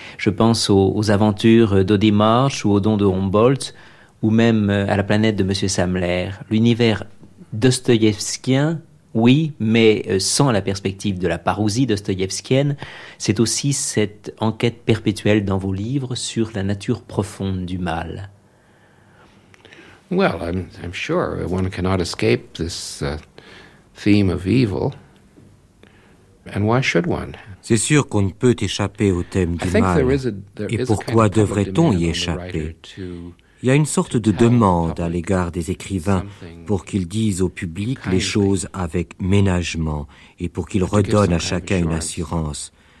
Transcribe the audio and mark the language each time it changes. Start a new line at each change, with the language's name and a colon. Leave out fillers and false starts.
French: Je pense aux aventures d'Audie Marsh ou aux dons de Humboldt, ou même à la planète de M. Samler. L'univers dostoïevskien, oui, mais sans la perspective de la parousie dostoïevskienne, c'est aussi cette enquête perpétuelle dans vos livres sur la nature profonde du mal.
English: Well, I'm sure one cannot escape this theme of evil. And why should one?
French: C'est sûr qu'on ne peut échapper au thème du mal. Et pourquoi devrait-on y échapper? Il y a une sorte de demande à l'égard des écrivains pour qu'ils disent au public les choses avec ménagement et pour qu'ils redonnent à chacun une assurance.